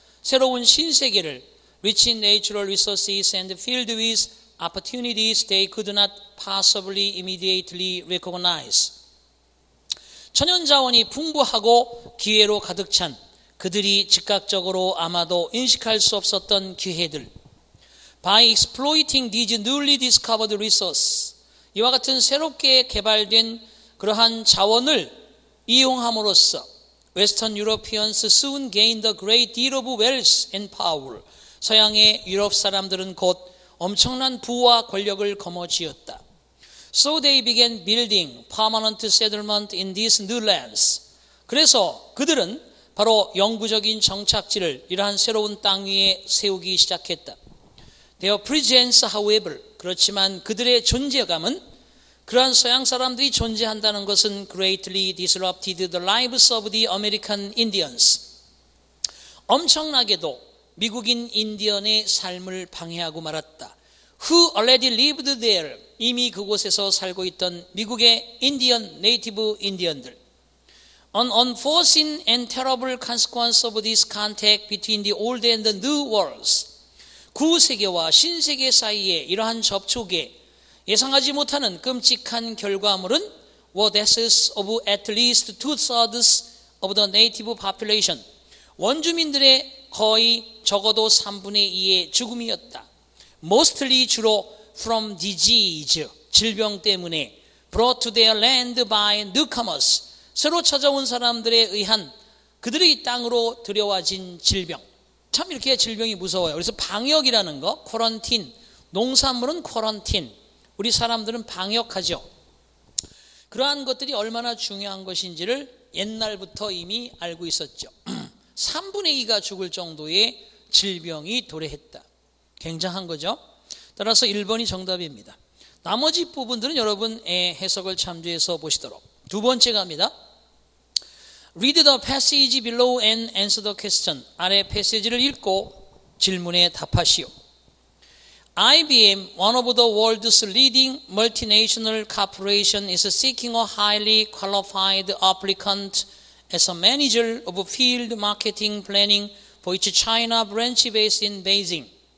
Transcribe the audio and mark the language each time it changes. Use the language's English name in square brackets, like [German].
[Korean] 새로운 신세계를 [English] rich in natural resources and filled with opportunities they could not possibly immediately recognize. [Korean] 천연자원이 풍부하고 기회로 가득 찬 그들이 즉각적으로 아마도 인식할 수 없었던 기회들. [English] By exploiting these newly discovered resources, [Korean] 이와 같은 새롭게 개발된 그러한 자원을 이용함으로써 [English] Western Europeans soon gained a great deal of wealth and power. [Korean] 서양의 유럽 사람들은 곧 엄청난 부와 권력을 거머쥐었다. [English] So they began building permanent settlement in these new lands. [Korean] 그래서 그들은 바로 영구적인 정착지를 이러한 새로운 땅 위에 세우기 시작했다. [English] Their presence, however, [Korean] 그렇지만 그들의 존재감은 그러한 서양 사람들이 존재한다는 것은 [English] greatly disrupted the lives of the American Indians. [Korean] 엄청나게도 미국인 인디언의 삶을 방해하고 말았다. [English] Who already lived there? [Korean] 이미 그곳에서 살고 있던 미국의 인디언, 네이티브 인디언들. [English] An unforeseen and terrible consequence of this contact between the old and the new worlds. [Korean] 구세계와 신세계 사이에 이러한 접촉에 예상하지 못하는 끔찍한 결과물은 [English] were deaths of at least two-thirds of the native population. [Korean] 원주민들의 거의 적어도 3분의 2의 죽음이었다. [English] Mostly [Korean] 주로 [English] From disease, [Korean] 질병 때문에 [English] brought to their land by newcomers, [Korean] 새로 찾아온 사람들에 의한 그들의 땅으로 들여와진 질병. 참 이렇게 질병이 무서워요. 그래서 방역이라는 거, quarantine, 농산물은 quarantine, 우리 사람들은 방역하죠. 그러한 것들이 얼마나 중요한 것인지를 옛날부터 이미 알고 있었죠. 3분의 2가 죽을 정도의 질병이 도래했다. 굉장한 거죠. 따라서 1번이 정답입니다. 나머지 부분들은 여러분의 해석을 참조해서 보시도록. 두 번째 갑니다. [English] Read the passage below and answer the question. [Korean] 아래 패시지를 읽고 질문에 답하시오. [English] IBM, one of the world's leading multinational corporations, is seeking a highly qualified applicant as a manager of field marketing planning for its China branch based in Beijing.